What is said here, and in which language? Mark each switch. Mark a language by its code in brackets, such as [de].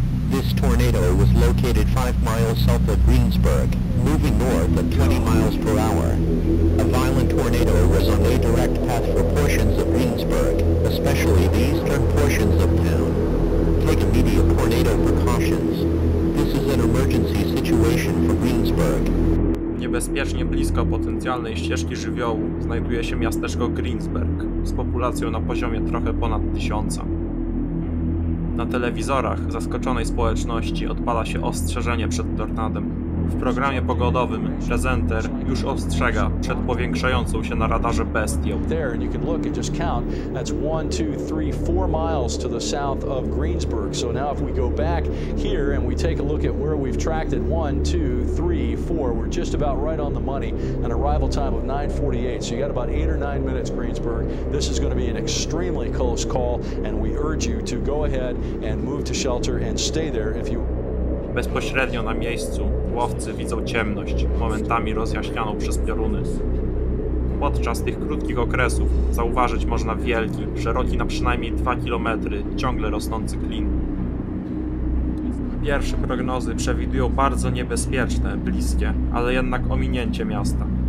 [en] This tornado was located 5 miles south of Greensburg, moving north at 20 miles per hour. A violent tornado was on a direct path for portions of Greensburg, especially the eastern portions of town. Take immediate tornado precautions. This is an emergency situation for Greensburg. [pl] Niebezpiecznie blisko potencjalnej ścieżki żywiołu znajduje się miasteczko Greensburg z populacją na poziomie trochę ponad 1000. Na telewizorach zaskoczonej społeczności odpala się ostrzeżenie przed tornadem. W programie pogodowym prezenter już ostrzega przed powiększającą się na radarze bestią. [en] There and you can look and just count. That's 1, 2, 3, 4 miles to the south of Greensburg. So now if we go back here and we take a look at where we've tracked it, 1, 2, 3, 4, we're just about right on the money. An arrival time of 9:48. So you got about 8 or 9 minutes, Greensburg. This is going to be an extremely close call, and we urge you to go ahead and move to shelter and stay there if you. [pl] Bezpośrednio na miejscu łowcy widzą ciemność, momentami rozjaśnianą przez pioruny. Podczas tych krótkich okresów zauważyć można wielki, szeroki na przynajmniej 2 km, ciągle rosnący klin. Pierwsze prognozy przewidują bardzo niebezpieczne, bliskie, ale jednak ominięcie miasta.